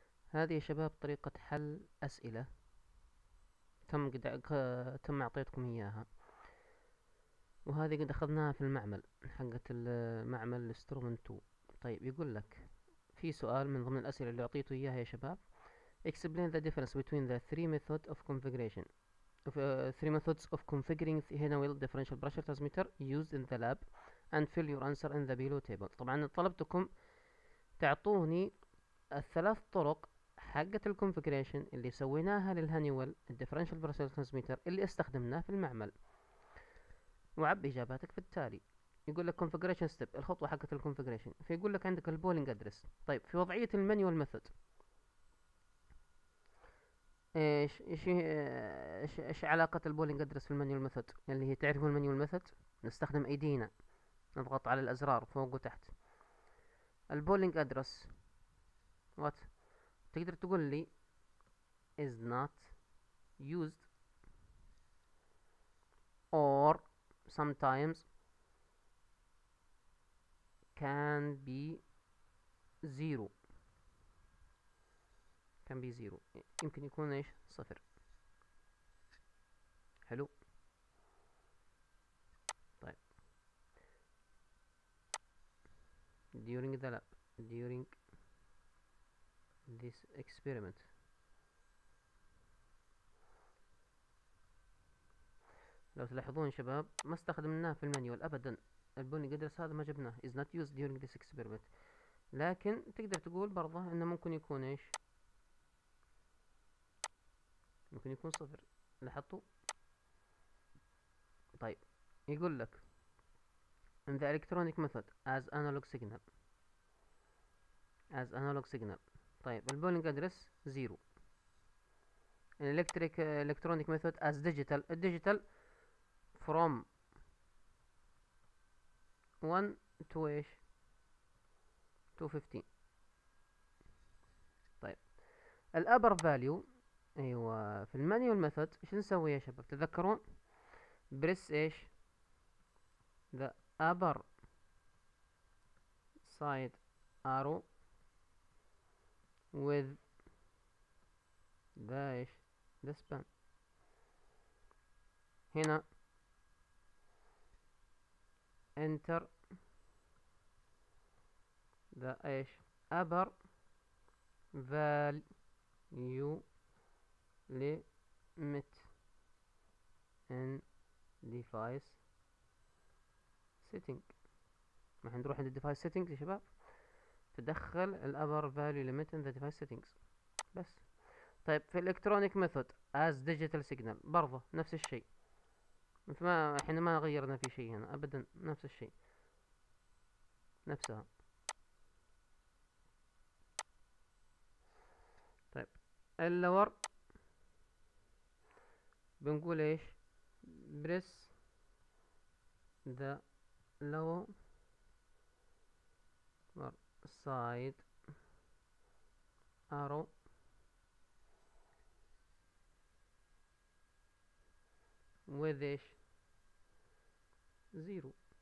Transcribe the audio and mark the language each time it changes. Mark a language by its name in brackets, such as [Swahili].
[Arabic] هذه يا شباب طريقة حل أسئلة تم أعطيتكم إياها، وهذه قد أخذناها في المعمل حقة المعمل الإنسترومنت 2. طيب يقول لك في سؤال من ضمن الأسئلة اللي أعطيته إياها يا شباب: [English] Explain the difference between the three methods of configuration of, three methods of configuring the hidden wheel differential pressure transmitter used in the lab and fill your answer in the below table. [Arabic] طبعا طلبتكم تعطوني الثلاث طرق حقة الكونفيجريشن اللي سويناها للهانيوال الديفرنشال بريشر ترانسميتر اللي استخدمناه في المعمل، وعب اجاباتك بالتالي. يقول لك كونفيجريشن ستيب، الخطوة حقة الكونفيجريشن، فيقول لك عندك البولينج ادرس. طيب في وضعية المانيوال ميثود ايش علاقة البولينج ادرس في المانيوال ميثود؟ اللي هي تعرف المانيوال ميثود، نستخدم ايدينا نضغط على الازرار فوق وتحت. [English] البولينج address what [Arabic] تقدر تقول لي [English] is not used or sometimes can be zero. can be zero [Arabic] يمكن يكون ايش؟ صفر. حلو. [English] طيب during the lab during this experiment. [Arabic] لو تلاحظون شباب ما استخدمناه في المانيوال ابدا، البولينج ادرس هذا ما جبناه، [English] is not used during this experiment. [Arabic] لكن تقدر تقول برضه انه ممكن يكون ايش؟ ممكن يكون صفر. لاحظتوا؟ طيب يقول لك [English] in the electronic method as analog signal as analog signal. طيب البولينج address zero. الالكتريك electronic method as digital, الديجيتال from 1 to ايش؟ 215. طيب الابر فاليو ايوه في المانيوال ميثود [Arabic] ايش نسوي يا شباب؟ تذكرون [English] Press ايش؟ The upper side arrow with dash the span. هنا enter the ايش upper value limit in device setting. [Arabic] ما حنروح عند [English] device setting [Arabic] يا شباب، تدخل الـ [English] upper value limit in the device settings بس. [Arabic] طيب في [English] electronic method as digital signal [Arabic] برضه نفس الشيء، ما احنا ما غيرنا في شيء هنا ابدا، نفس الشيء نفسها. [English] طيب اللور [Arabic] بنقول ايش؟ [English] press the lower side arrow with ايش؟ Zero.